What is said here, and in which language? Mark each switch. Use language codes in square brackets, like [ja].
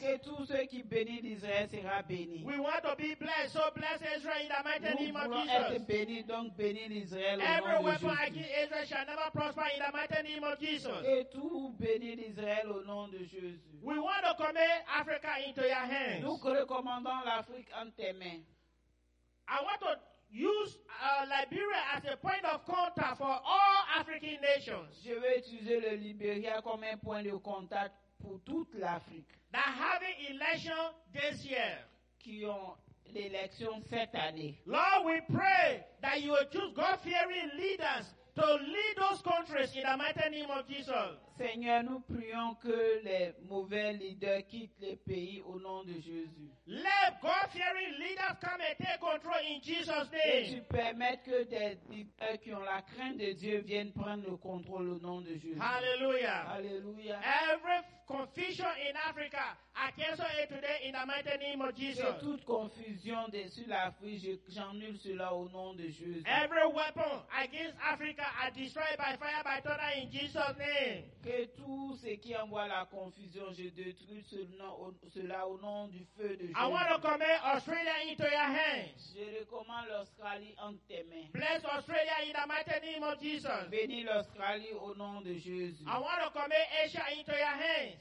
[fr] Que tous ceux qui bénissent l'Israël sera béni. [en] We want to be blessed, so bless Israel in the mighty [fr] nous [en] name of Jesus. [fr] Nous voulons être bénis, donc bénis l'Israël au [en] every [fr] nom de Jésus. [en] Every weapon against Israel shall never prosper in the mighty name of Jesus. [fr] Que tout bénit l'Israël au nom de Jésus. [en] We want to commit Africa into your hands. [fr] Nous recommandons l'Afrique en tes mains. [en] I want to use Liberia as a point of contact for all African nations. nations. [fr] Je veux utiliser le Liberia comme un point de contact pour toute l'Afrique. [en] That having election this year. [fr] Qui ont l'élection cette année. [en] Lord, we pray that you will choose God-fearing leaders to lead those countries in the mighty name of Jesus. [fr] Seigneur, nous prions que les mauvais leaders quittent le pays au nom de Jésus. [en] Let God-fearing leaders come and take control in Jesus' name. [fr] Et tu permets que des leaders qui ont la crainte de Dieu viennent prendre le contrôle au nom de Jésus. Hallelujah. Hallelujah. [en] Every confusion in Africa, I cancel it today in the mighty name of Jesus. [fr] Et toute confusion sur l'Afrique, j'annule cela au nom de Jésus. [en] Every weapon against Africa, I destroy by fire, by thunder in Jesus' name. [fr] Que tout ce qui envoie la confusion, je détruis cela au nom du feu de Jésus. [en] I want to commit Australia into your hands. [fr] Je recommande l'Australie entre tes mains. [en] Bless Australia in the mighty name of Jesus. [fr] Bénis l'Australie au nom de Jésus. [en] I want to commit Asia into your hands.